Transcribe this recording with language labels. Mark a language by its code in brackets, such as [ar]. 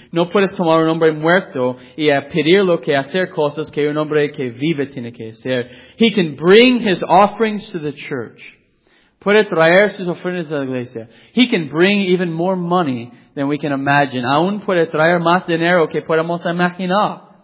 [es] No puedes tomar un hombre muerto y a pedirlo que hacer cosas que un hombre que vive tiene que hacer. [en] He can bring his offerings to the church. [es] Puede traer sus ofrendas a la iglesia. [en] He can bring even more money than we can imagine. [es] Aún puede traer más dinero que podemos imaginar.